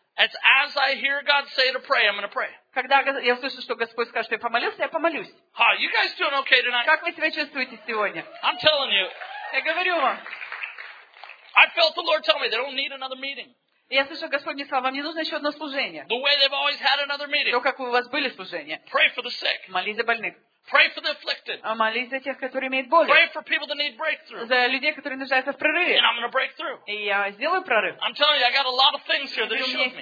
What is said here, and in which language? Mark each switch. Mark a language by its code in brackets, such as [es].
[en] It's as I hear God say to pray, I'm going to pray. [ru] Когда я слышу, что Господь скажет, что я помолюсь. [en] Ha, you guys doing okay tonight? [ru] Как вы себя чувствуете сегодня? [en] I'm telling you. [ru] Я говорю вам. [en] I felt the Lord tell me they don't need another meeting. [ru] Я слышу, Господь мне сказал, вам не нужно еще одно служение. [en] The way they've always had another meeting. [ru] То, как у вас были служения. [en] Pray for the sick. [ru] Молись за больных. [en] Pray for the afflicted. [ru] Молись за тех, которые имеют боли. [en] Pray for people that need breakthrough. [ru] За людей, которые нуждаются в прорыве. [en] And I'm going to break through. [ru] И я сделаю прорыв. [en] I'm telling you, I got a lot of things here that showed me.